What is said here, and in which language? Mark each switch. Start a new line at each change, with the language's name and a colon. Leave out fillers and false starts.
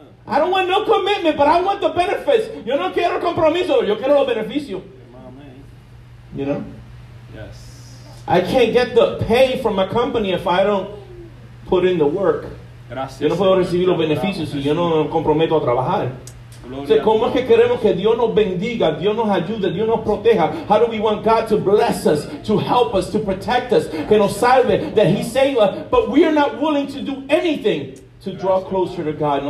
English: I don't want no commitment, but I want the benefits.
Spanish: Yo no quiero compromiso, yo quiero los beneficios.
English: You know? Yes. I can't get the pay from my company if I don't put in the work.
Spanish: Gracias. Yo no puedo recibir los beneficios si yo no me comprometo a trabajar. O sea, ¿cómo es que queremos que Dios nos bendiga, Dios nos ayude, Dios nos proteja?
English: How do we want God to bless us, to help us, to protect us,
Spanish: que nos salve,
English: that he save us, but we are not willing to do anything to draw closer to God?